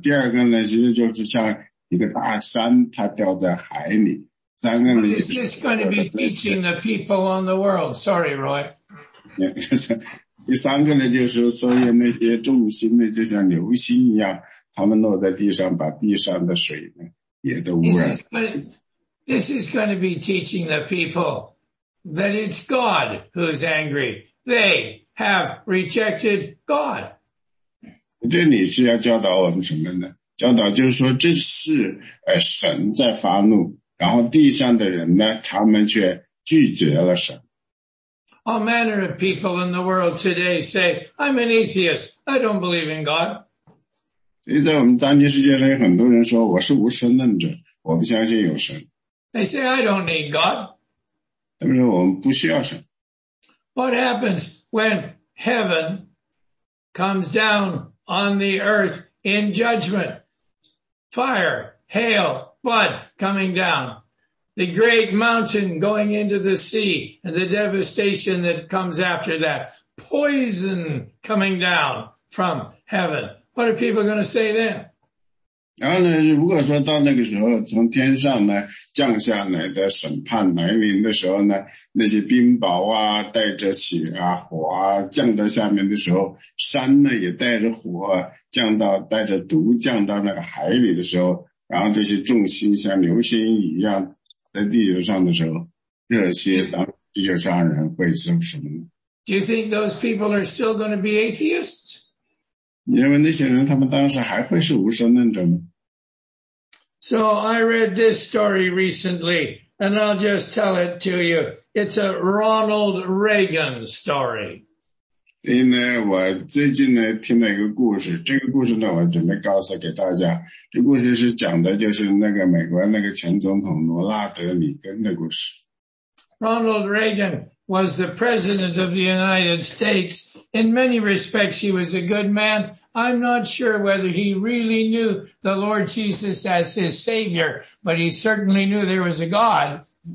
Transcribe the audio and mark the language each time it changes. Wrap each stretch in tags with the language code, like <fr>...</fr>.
<zh>第二个呢，其实就是像一个大山，它掉在海里。三个呢</zh> <en>，Is this going to be teaching the people on the world? Sorry, Roy.</en> <zh>第三个呢，就是所有那些众星呢，就像流星一样，他们落在地上，把地上的水呢也都污染。</zh> <en>This is going to be teaching the people that it's God who is angry. They have rejected God.</en> <zh>这里是要教导我们什么呢？教导就是说，这是神在发怒，然后地上的人呢，他们却拒绝了神。</zh> <en>All manner of people in the world today say, I'm an atheist. I don't believe in God.</en> <zh>所以在我们当今世界上有很多人说我是无神论者，我不相信有神。</zh> <en>They say, I don't need God.</en> <zh>他们说我们不需要神。</zh> <en>What happens when heaven comes down on the earth in judgment? Fire, hail, blood coming down. The great mountain going into the sea and the devastation that comes after that. Poison coming down from heaven. What are people going to say then?</en> <zh>然后呢，如果说到那个时候从天上呢降下来的审判来临的时候呢，那些冰雹啊带着血啊火啊降到下面的时候，山呢也带着火啊降到带着毒降到那个海里的时候，然后这些众星像流星一样在地球上的时候，这些当地球上人会说什么呢？</zh> <en>Do you think those people are still going to be atheists?</en> <zh>你认为那些人他们当时还会是无神论者吗？</zh> <en>So I read this story recently, and I'll just tell it to you. It's a Ronald Reagan story.</en> <zh>因为我最近呢听了一个故事，这个故事呢我准备告诉给大家。这故事是讲的就是那个美国那个前总统罗拉德里根的故事。</zh> <en>Ronald Reagan was the president of the United States. In many respects, he was a good man. I'm not sure whether he really knew the Lord Jesus as his savior, but he certainly knew there was a God.</en>